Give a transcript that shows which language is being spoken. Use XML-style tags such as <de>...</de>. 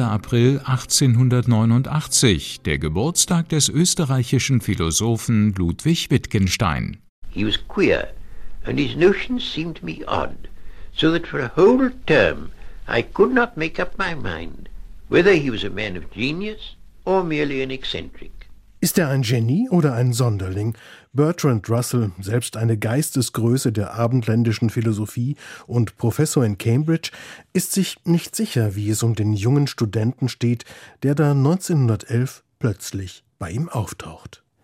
<de>April 1889, der Geburtstag des österreichischen Philosophen Ludwig Wittgenstein.</de> <en>He was queer and his notions seemed me odd, so that for a whole term I could not make up my mind, whether he was a man of genius or merely an eccentric.</en> <de>Ist er ein Genie oder ein Sonderling? Bertrand Russell, selbst eine Geistesgröße der abendländischen Philosophie und Professor in Cambridge, ist sich nicht sicher, wie es um den jungen Studenten steht, der da 1911 plötzlich bei ihm auftaucht.</de>